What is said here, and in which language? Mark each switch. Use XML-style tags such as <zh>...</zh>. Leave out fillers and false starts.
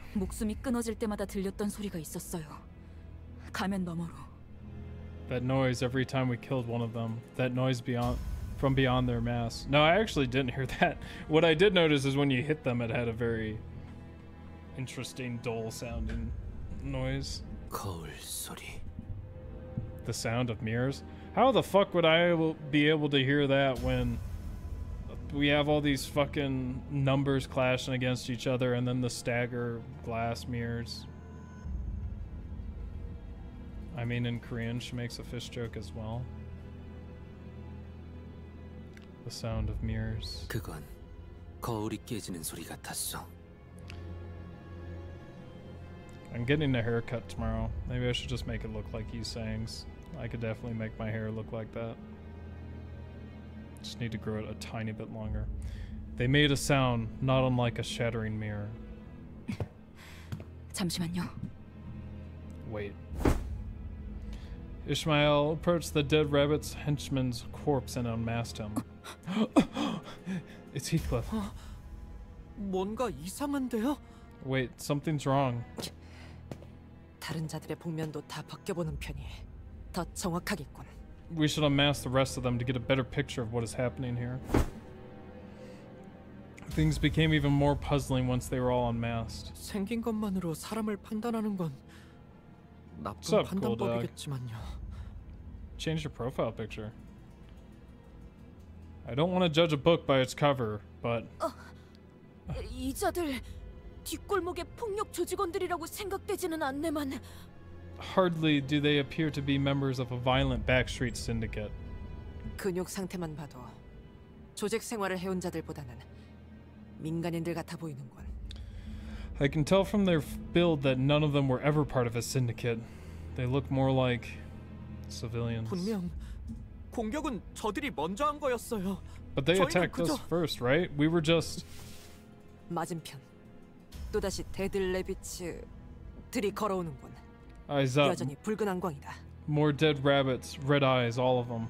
<ko>목숨이 끊어질 때마다 들렸던 소리가 있었어요. 가면 너머로.</ko> <en>That noise every time we killed one of them. That noise beyond from beyond their mass. No, I actually didn't hear that. What I did notice is when you hit them, it had a very interesting, dull sounding noise.</en> <ko>거울 소리.</ko> <en>The sound of mirrors. How the fuck would I be able to hear that when we have all these fucking numbers clashing against each other and then the stagger glass mirrors? I mean, in Korean, she makes a fish joke as well. The sound of mirrors.</en> <ko>그건 거울이 깨지는 소리 같았어.</ko> <en>I'm getting a haircut tomorrow. Maybe I should just make it look like he sings. I could definitely make my hair look like that. Just need to grow it a tiny bit longer. They made a sound not unlike a shattering mirror.</en> <ko>잠시만요.</ko> <en>Wait. Ishmael approached the dead rabbit's henchman's corpse and unmasked him. It's Heathcliff.</en> <ko>뭔가 이상한데요?</ko> <en>Wait, something's wrong.</en> <ko>다른 자들의 복면도 다 벗겨보는 편이 더 정확하겠군.</ko> <en>We should unmask the rest of them to get a better picture of what is happening here. Things became even more puzzling once they were all unmasked.</en> <ko>생긴 것만으로 사람을 판단하는 건 나쁜 판단법이겠지만요.</ko> <en>Change your profile picture. I don't want to judge a book by its cover, but</en> <ko>이 자들 뒷골목의 폭력 조직원들이라고 생각되지는 않네만.</ko> <en>Hardly do they appear to be members of a violent backstreet syndicate.</en> <ko>근육 상태만 봐도 조직 생활을 해온 자들보다는 민간인들 같아 보이는군.</ko> <en>I can tell from their build that none of them were ever part of a syndicate. They look more like civilians.</en> <ko>분명 공격은 저들이 먼저 한 거였어요.</ko> <en>But they attacked us first, right? We were just</en> <ko>맞은편. 또 다시 데드 래빗들이 걸어오는군.</ko> <en>Eyes up.</en> <ko>여전히 붉은 안광이다.</ko> <en>More dead rabbits, red eyes, all of them.</en>